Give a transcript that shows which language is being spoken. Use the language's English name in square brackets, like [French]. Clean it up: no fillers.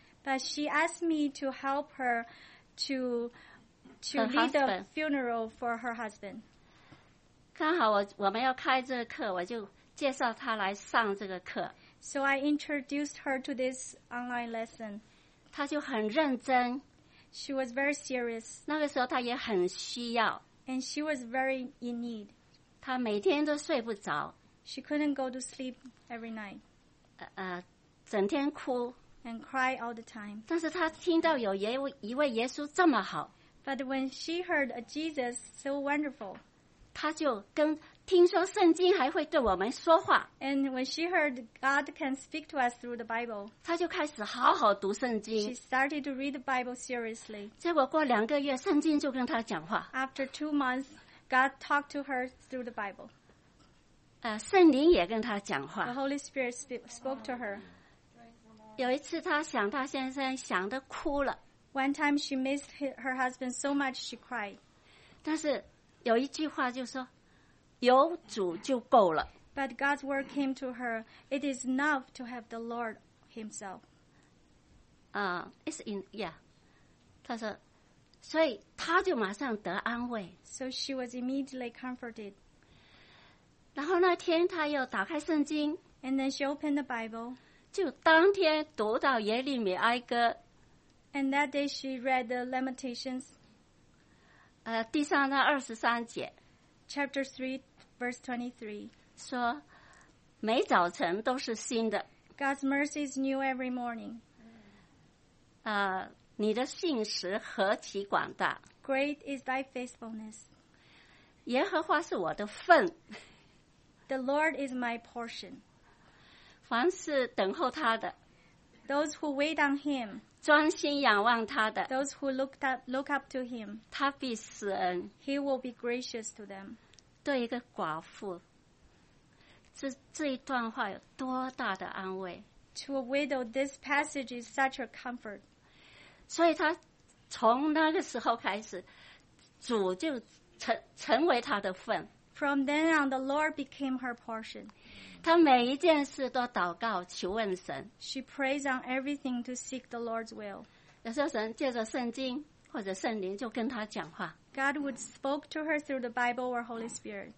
[English] But she asked me to help her to lead the funeral for her husband. [Chinese] 刚好我们要开这个课，我就介绍他来上这个课。 [English] So I introduced her to this online lesson. [Chinese] 他就很认真。 [English] She was very serious. [Chinese] 那个时候他也很需要。 [English] And she was very in need. [Chinese] 她每天都睡不着。 [English] She couldn't go to sleep every night. [Chinese] 整天哭。 [English] And cry all the time. [Chinese] 但是她听到有一位耶稣这么好。 [English] But when she heard a Jesus so wonderful, [Chinese] 她就跟听说圣经还会对我们说话。 [English] And when she heard God can speak to us through the Bible, [Chinese] 她就开始好好读圣经。 [English] She started to read the Bible seriously. [Chinese] 结果过两个月，圣经就跟她讲话。 [English] After 2 months, God talked to her through the Bible. [Chinese] 圣灵也跟她讲话。 [English] The Holy Spirit spoke to her. [Chinese] 有一次她想她先生想得哭了。 [English] One time she missed her husband so much she cried. [Chinese] 但是有一句话就说有主就够了。 [English] But God's word came to her, it is enough to have the Lord himself. It's in, yeah. [Chinese] 她说所以她就马上得安慰。 [English] So she was immediately comforted. [Chinese] 然后那天她又打开圣经。 [English] And then she opened the Bible. [Chinese] 就当天读到耶利米哀歌。 [English] And that day she read the Lamentations. [Chinese] 第三章二十三节。 [English] Chapter 3, verse 23. [Chinese] 说每早晨都是新的。 [English] God's mercy is new every morning. [Chinese] 你的信实何其广大。 [English] Great is thy faithfulness. [Chinese] 耶和华是我的份。 [English] The Lord is my portion. [Chinese] 凡是等候他的。 [English] Those who wait on him. [Chinese] 专心仰望他的。 [English] Those who look up to him. [Chinese] 他必施恩。 [English] He will be gracious to them. [Chinese] 对一个寡妇。这一段话有多大的安慰。 [English] To a widow, this passage is such a comfort. [Chinese] 所以他从那个时候开始主就 成为他的份。 [English] From then on, the Lord became her portion. [Chinese] 她每一件事都祷告求问神。 [English] She prays on everything to seek the Lord's will. [Chinese] 有时候神借着圣经或者圣灵就跟她讲话。 [English] God would spoke to her through the Bible or Holy Spirit.